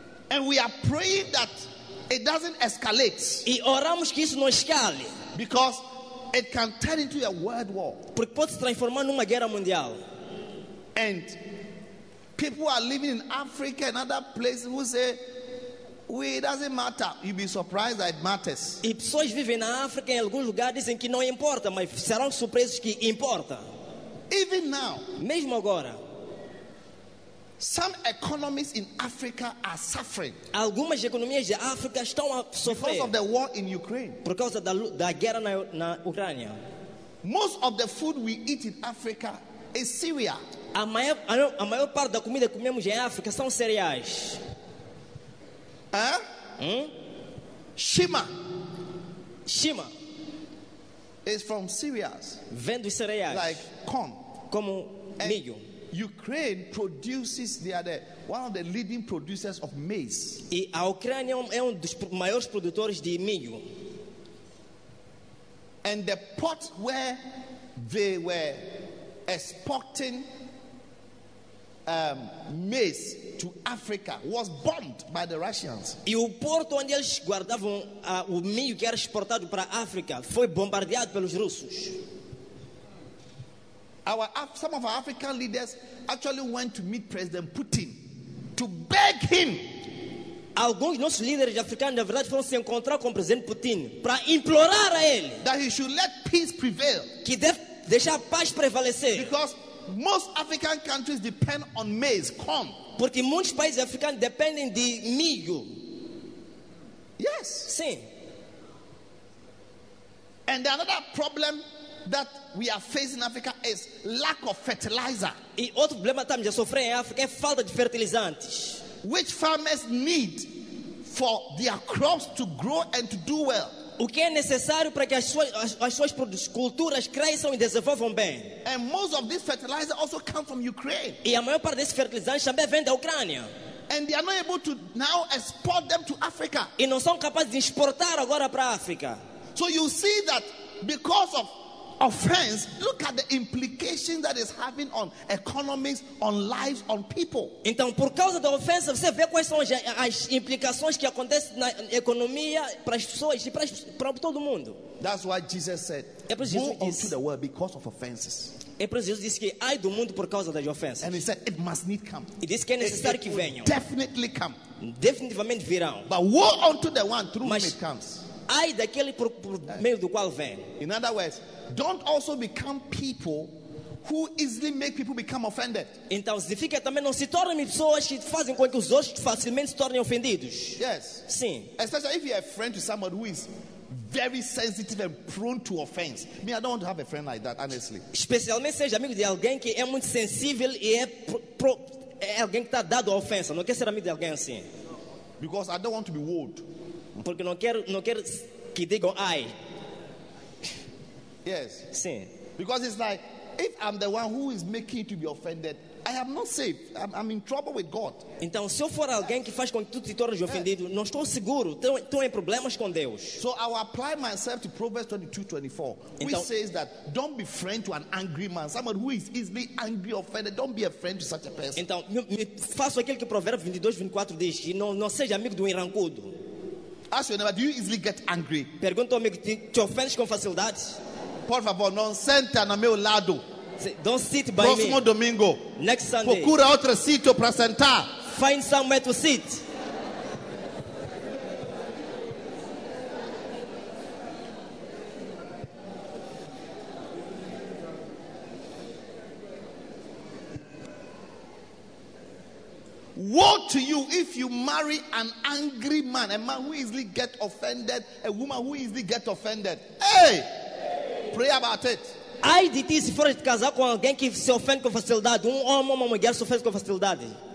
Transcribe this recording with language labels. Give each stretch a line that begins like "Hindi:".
English: And we are praying that it doesn't escalate.
Portuguese: E oramos que isso não escale.
English: Because it can turn into a world war.
Portuguese: Porque pode se transformar numa guerra mundial.
English: And people are living in Africa and other places who say, "We, it doesn't matter." You'd be surprised that it matters.
Portuguese: E pessoas vivem na África em algum lugar dizem que não importa, mas serão surpresos que importa.
English: Even now,
Portuguese: mesmo agora,
English: some economies in Africa are suffering.
Portuguese: Algumas economias de África estão a sofrer.
English: Because of the war in Ukraine.
Portuguese: Por causa da guerra na Ucrânia.
English: Most of the food we eat in Africa is cereal.
Portuguese: A maior parte da comida que comemos em África são cereais.
English: Shima is from cereals.
Portuguese: Vem dos cereais.
English: Like corn.
Portuguese: Como
English: and
Portuguese: milho.
English: Ukraine produces, they are one of the leading producers of maize.
Portuguese: E a Ucrânia é dos maiores produtores de milho.
English: And the pot where they were exporting maize to Africa was bombed by the Russians.
Portuguese: E o porto onde eles guardavam o milho que era exportado para a África foi bombardeado pelos russos.
English: Some of our African leaders actually went to meet President Putin to beg him.
Portuguese: Alguns nossos líderes africanos, na verdade, foram se encontrar com o presidente Putin para implorar a ele
English: that he should let peace prevail.
Portuguese: Que deve deixar a paz prevalecer.
English: Because most African countries depend on maize, corn.
Portuguese: Porque muitos países africanos dependem de milho.
English: Yes.
Portuguese: Sim.
English: And another problem that we are facing in Africa is lack of fertilizer.
Portuguese: E outro problema que estamos a sofrer em África é falta de fertilizantes.
English: Which farmers need for their crops to grow and to do well.
Portuguese: O que é necessário para que as suas culturas cresçam e desenvolvam bem.
English: And most of this fertilizer also come from Ukraine.
Portuguese: E a maior parte desse fertilizante também vem da Ucrânia.
English: And they are not able to now export them to Africa.
Portuguese: E não são capazes de exportar agora para a África.
English: So you see that because of offense, look at the implications that is having on economies, on lives, on people.
Portuguese: Então, por causa da ofensa, você vê quais são as implicações que acontecem na economia para as pessoas e para todo mundo.
English: That's why Jesus said,
Portuguese: é
English: "Go unto the world because of offenses."
Portuguese: É por isso que Jesus disse que ai do mundo por causa das ofensas.
English: And he said, "It must need come."
Portuguese: E disse que é necessário
English: it
Portuguese: que venham.
English: Definitely come.
Portuguese: Definitivamente virão.
English: But woe unto the one through whom it comes.
Portuguese: Ai daquele por meio do qual vem.
English: In other words, don't also become people who easily make people become offended.
Portuguese: Então, significa também não se tornem pessoas que fazem com que os outros facilmente se tornem ofendidos.
English: Yes.
Portuguese: Sim.
English: Especially if you are a friend to someone who is very sensitive and prone to offense. I mean, I don't want to have a friend like that, honestly.
Portuguese: Especialmente seja amigo de alguém que é muito sensível e é alguém que está dado a ofensa. Não quer ser amigo de alguém assim.
English: Because I don't want to be wold.
Portuguese: Porque não quero que digam ai.
English: Yes.
Portuguese: Sim.
English: Because it's like If I'm the one who is making you to be offended, I am not safe. I'm in trouble with God.
Portuguese: Então, se eu for alguém que faz com que tu te tornes ofendido, não estou seguro. Estou em problemas com Deus.
English: So I will apply myself to Proverbs 22:24,
Portuguese: então,
English: which says that don't be friend to an angry man. Someone who is easily angry, offended, don't be a friend to such a person.
Portuguese: Então, me faço aquilo que Provérbios 22:24 diz, que não seja amigo do irancudo.
English: Ask your neighbor, do you easily get angry?
Portuguese: Pergunta ao amigo, te ofendes com facilidade? Por favor, não senta no meu lado.
English: Don't sit by
Portuguese: próximo
English: me.
Portuguese: Próximo domingo.
English: Next Sunday.
Portuguese: Procura outro sítio para sentar.
English: Find somewhere to sit. Woe to you if you marry an angry man, a man who easily get offended, a woman who easily get offended. Hey! Pray about it.
Portuguese: Ai de ti se for casar com alguém que se ofende com facilidade, um homem ou uma mulher se ofende com facilidade.